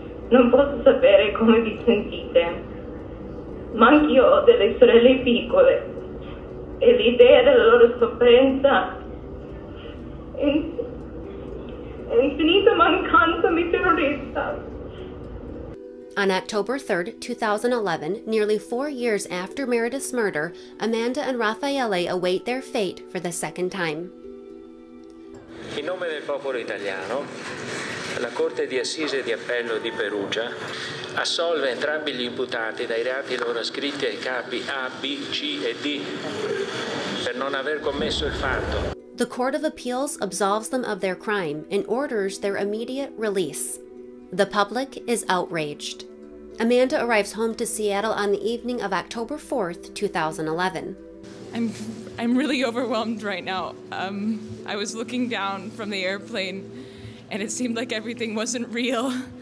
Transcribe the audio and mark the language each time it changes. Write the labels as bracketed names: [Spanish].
[Italian] Non posso sapere come vi sentite. Ma anch'io ho delle sorelle piccole. E l'idea della loro sofferenza è infinita mancanza mi terrorizza. [English] On October 3rd, 2011, nearly 4 years after Meredith's murder, Amanda and Raffaele await their fate for the second time. [Italian] In nome del popolo italiano, la Corte di Assise di Appello di Perugia assolve entrambi gli imputati dai reati loro ascritti ai capi A, B, C e D per non aver commesso il fatto. [English] The Court of Appeals absolves them of their crime and orders their immediate release. The public is outraged. Amanda arrives home to Seattle on the evening of October 4th, 2011. I'm really overwhelmed right now. I was looking down from the airplane and it seemed like everything wasn't real.